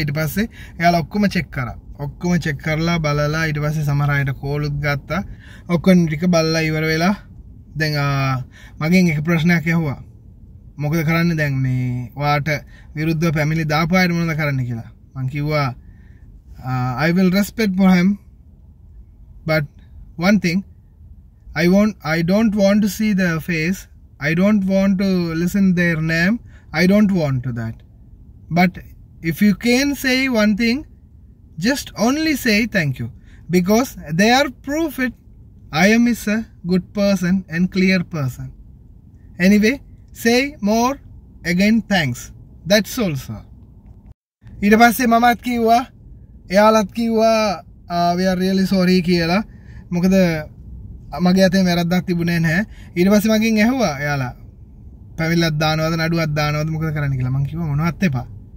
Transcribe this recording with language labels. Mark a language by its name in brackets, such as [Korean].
[Sinhala] ඊට පස්සේ එයාලා ඔක්කොම චෙක් කරා. ඔක්කොම චෙක් කරලා බලලා ඊට පස්සේ සමහර අයට කෝලුත් ගත්තා. ඔක්කොම ටික බලලා ඉවර වෙලා දැන් මගෙන් එක ප්‍රශ්නයක් ඇහුවා. මොකද කරන්නේ දැන් මේ ඔයාට විරුද්ධව පැමිණිලි දාපු අයට මොනවද කරන්න කියලා. මං කිව්වා [English] I will respect for him but one thing I don't want to see their face, I don't want to listen their name, I don't want to that. But if you can say one thing, just only say thank you. Because they are proof it, I am is a good person and clear person. Anyway, say more again thanks. That's all, sir. [Sinhala] ඊට පස්සේ මමත් කිව්වා, එයාලත් කිව්වා, [English] we are really sorry [Sinhala] කියලා. මොකද මගේ අතේ වැරද්දක් තිබුණේ නැහැ. ඊට පස්සේ මගෙන් ඇහුවා එයාලා පැවිල්ලක් දානවද නඩුවක් දානවද මොකද කරන්න කියලා. මං කිව්වා මොනවත් එපා.